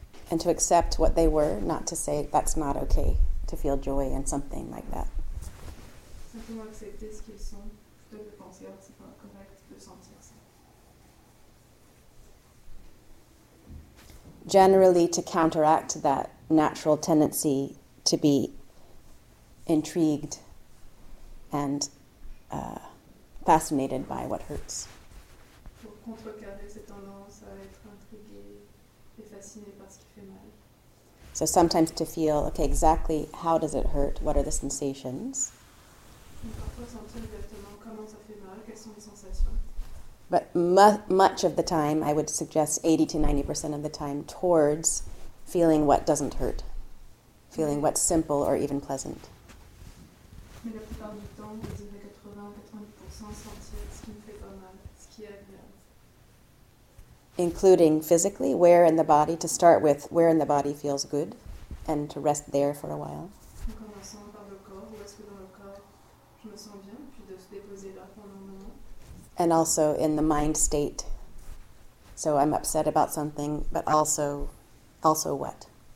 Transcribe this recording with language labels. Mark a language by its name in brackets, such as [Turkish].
[English] And to accept what they were, not to say that's not okay to feel joy in something like that. [French] simplement accepter ce qu'ils sont, plutôt que de penser que c'est pas correct de sentir ça. [English] Generally, to counteract that natural tendency to be intrigued and fascinated by what hurts. [French] Pour contrecarrer cette tendance à être intrigué et fasciné par ce qui fait mal. [English] So sometimes to feel, okay, exactly how does it hurt? What are the sensations? [French] Parfois sentir exactement comment ça fait mal, quelles sont les sensations. [English] But much of the time, I would suggest 80 to 90% of the time, towards feeling what doesn't hurt, feeling what's simple or even pleasant. [French] Mais la plupart du temps, vous avez 80-90% sentir ce qui ne fait pas mal, ce qui est agréable. [English] Including physically, where in the body, to start with, where in the body feels good, and to rest there for a while. [French] En commençant par le corps, où est-ce que dans le corps je me sens bien, puis de se déposer là pendant un moment. [English] And also in the mind state. So I'm upset about something, but also what?